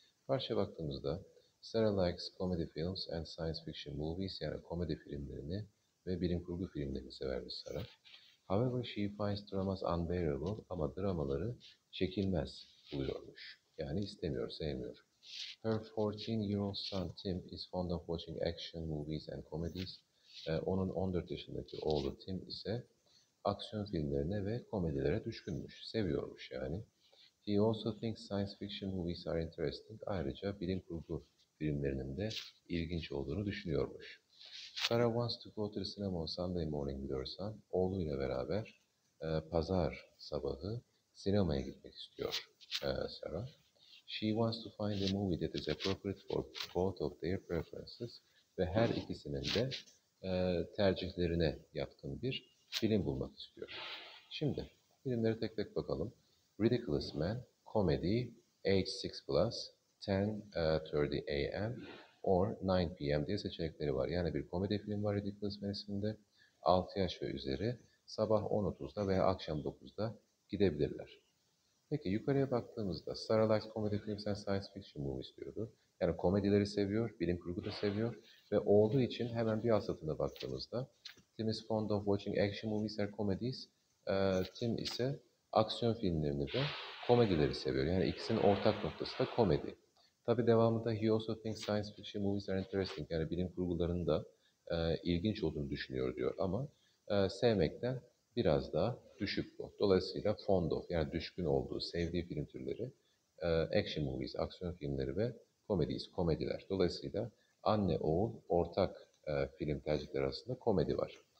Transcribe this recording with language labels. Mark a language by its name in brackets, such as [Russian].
[Turkish] Parça baktığımızda [English] Sarah likes comedy films and science fiction movies, [Turkish] yani komedi filmlerini ve bilim kurgu filmlerini severmiş Sarah. [English] However, she finds dramas unbearable, [Turkish] ama dramaları çekilmez buluyormuş. Yani istemiyor, sevmiyor. [English] Her 14-year-old son Tim is fond of watching action movies and comedies. [Turkish] Onun 14 yaşındaki oğlu Tim ise aksiyon filmlerine ve komedilere düşkünmüş. Seviyormuş yani. [English] He also thinks science fiction movies are interesting. [Turkish] Ayrıca bilim kurgu filmlerinin de ilginç olduğunu düşünüyormuş. [English] Sarah wants to go to the cinema on Sunday morning with her son. [Turkish] Oğluyla beraber pazar sabahı sinemaya gitmek istiyor Sarah. [English] She wants to find a movie that is appropriate for both of their preferences. [Turkish] Ve her ikisinin de tercihlerine yatkın bir film bulmak istiyor. Şimdi filmlere tek tek bakalım. [English] Ridiculous Man, comedy, age 6+, 10:30 a.m. or 9 p.m. [Turkish] diye seçenekleri var. Yani bir komedi filmi var Ridiculous Man isminde. 6 yaş ve üzeri sabah 10:30'da veya akşam 9'da gidebilirler. Peki yukarıya baktığımızda [English] Sarah likes comedy films and science fiction movies [Turkish] diyordu. Yani komedileri seviyor, bilim kurgu da seviyor. Ve oğlu için hemen bir alt satında baktığımızda [English] Tim is fond of watching action movies and comedies. [Turkish] Tim ise aksiyon filmlerini ve komedileri seviyor. Yani ikisinin ortak noktası da komedi. Tabi devamında [English] he also thinks science fiction movies are interesting. [Turkish] Yani bilim kurgularının da ilginç olduğunu düşünüyor diyor. Ama sevmekten biraz daha düşük bu. Dolayısıyla fond of, yani düşkün olduğu, sevdiği film türleri [English] action movies, [Turkish] aksiyon filmleri ve komediyiz, komediler. Dolayısıyla anne, oğul, ortak film tercihleri arasında komedi var.